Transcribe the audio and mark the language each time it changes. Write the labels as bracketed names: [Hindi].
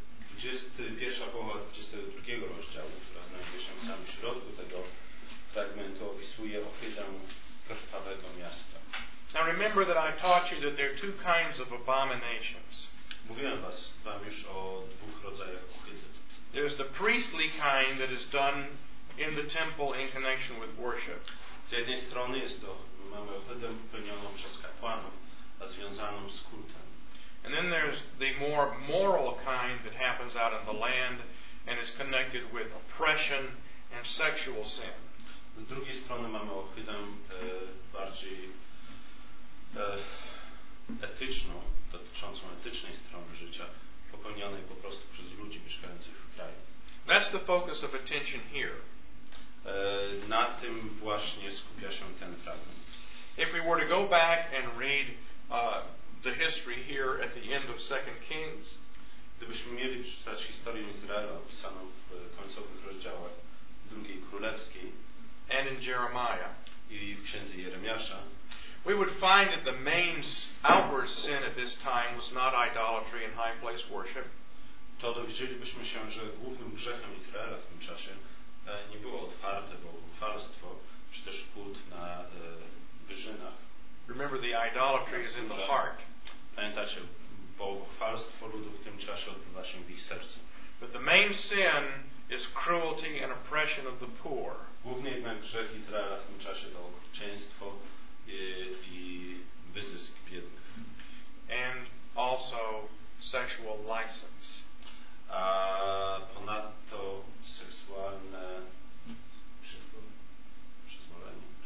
[Polish] 21 połowa 22 rozdziału, która znajduje się w samym środku tego fragmentu, opisuje ohydę krwawego miasta. [English] Now remember that I taught you that there are two kinds of abominations. [Polish] Mówiłem wam już o dwóch rodzajach ohydy. [English] There's the priestly kind that is done in the temple in connection with worship. [Polish] Z jednej strony jest to, mamy ohydę popełnioną przez kapłanów, a związaną z kultem. [English] And then there's the more moral kind that happens out in the land and is connected with oppression and sexual sin. [Polish] Z drugiej strony mamy ohydę bardziej etyczną, dotyczącą etycznej strony życia, popełnionej po prostu przez ludzi mieszkających w kraju. [English] That's the focus of attention here. [Polish] Na tym właśnie skupia się ten fragment. [English] If we were to go back and read the history here at the end of 2 Kings, [Polish] gdybyśmy mieli przeczytać historię Izraela opisaną w końcowych rozdziałach II Królewskiej [English] and in Jeremiah, [Polish] i w księdze Jeremiasza, [English] we would find that the main outward sin at this time was not idolatry and high place worship. [Polish] To dowiedzielibyśmy się, że głównym grzechem Izraela w tym czasie nie było otwarte bałwochwalstwo czy też kult na wyżynach. [English] Remember, the idolatry is in the heart. [Polish] Pamiętacie, bałwochwalstwo ludu w tym czasie odbywa się w ich sercu. [English] But the main sin is cruelty and oppression of the poor. [Polish] Główny jednak grzech Izraela w tym czasie to okrucieństwo i wyzysk biednych. [English] And also sexual license. [Polish] A ponadto seksualne przyzwolenie.